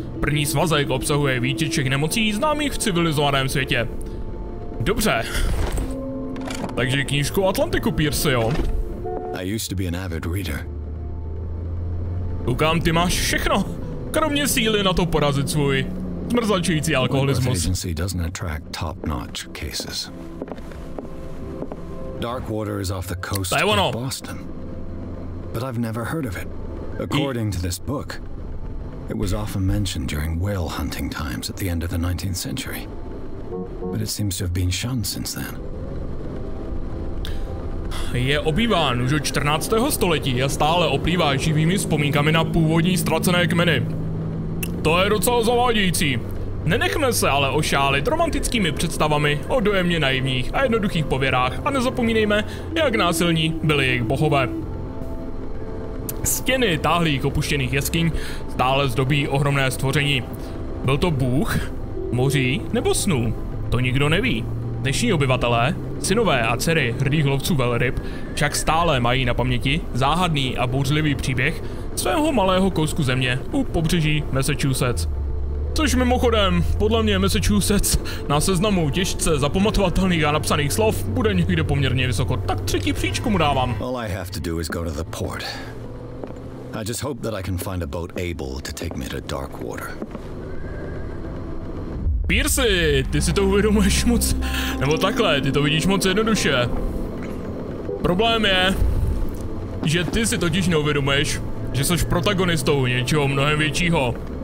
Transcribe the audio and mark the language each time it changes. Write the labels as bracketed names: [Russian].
[Czech] První svazek obsahuje výčet všech nemocí známých v civilizovaném světě. Dobře. Takže knížku Atlantiku, Pierce, jo? [English] I used to be an avid reader. [Czech] Koukám, ty máš všechno. Kromě síly na to porazit svůj zmrzačující alkoholismus. [English] The agency doesn't attract top-notch cases. Darkwater is off the coast of Boston. But I've never heard of it. According to this book, it was often mentioned during whale hunting times at the end of the 19th century. But it seems to have been shunned since then. [Czech] Je obýván už od 14. století a stále oplývá živými vzpomínkami na původní ztracené kmeny. To je docela zavádějící. Nenechme se ale ošálit romantickými představami o dojemně naivních a jednoduchých pověrách a nezapomínejme, jak násilní byly jejich bohové. Stěny táhlých opuštěných jeskyň stále zdobí ohromné stvoření. Byl to bůh, moří nebo snů? To nikdo neví. Dnešní obyvatelé, synové a dcery hrdých lovců velryb, však stále mají na paměti záhadný a bouřlivý příběh svého malého kousku země u pobřeží Massachusetts. Což mimochodem, podle mě Massachusetts na seznamu těžce zapamatovatelných a napsaných slov bude někde poměrně vysoko, tak třetí příčku mu dávám. [English] All I have to do is go to the port. I just hope that I can find a boat able to take me to dark water. [Czech] Pearsy, ty si to uvědomuješ moc, nebo takhle, ty to vidíš moc jednoduše. Problém je, že ty si totiž neuvědomuješ, že jsi protagonistou něčeho mnohem většího.